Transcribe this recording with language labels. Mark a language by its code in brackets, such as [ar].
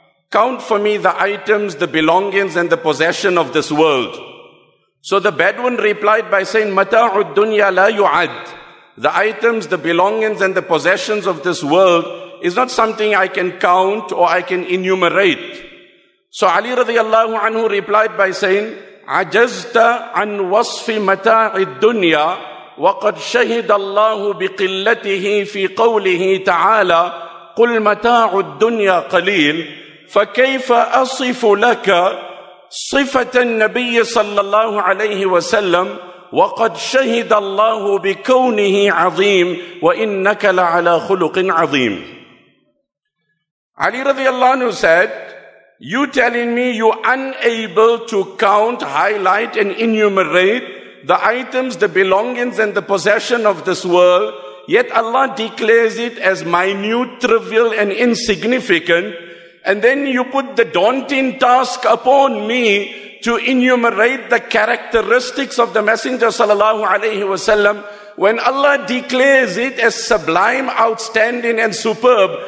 [en] Count for me the items, the belongings and the possession of this world. So the Bedouin replied by saying, [ar] مَتَاعُ الدُّنْيَا لَا يُعَدْ. [en] The items, the belongings and the possessions of this world is not something I can count or I can enumerate. So Ali radiallahu anhu replied by saying, [ar] عَجَزْتَ عَنْ وَصْفِ مَتَاعِ الدُّنْيَا وَقَدْ شَهِدَ اللَّهُ بِقِلَّتِهِ فِي قَوْلِهِ تَعَالَى قُلْ مَتَاعُ الدُّنْيَا قَلِيلٌ فَكَيْفَ أَصِفُ لَكَ صِفَةَ النَّبِيِّ صَلَّى اللَّهُ عَلَيْهِ وَسَلَّمُ وَقَدْ شَهِدَ اللَّهُ بِكَوْنِهِ عَظِيمٌ وَإِنَّكَ لَعَلَى خُلُقٍ عَظِيمٍ. [en] Ali radiallahu anhu said, you telling me you unable to count, highlight and enumerate the items, the belongings and the possession of this world, yet Allah declares it as minute, trivial and insignificant, and then you put the daunting task upon me to enumerate the characteristics of the Messenger sallallahu alayhi wa sallam, when Allah declares it as sublime, outstanding and superb.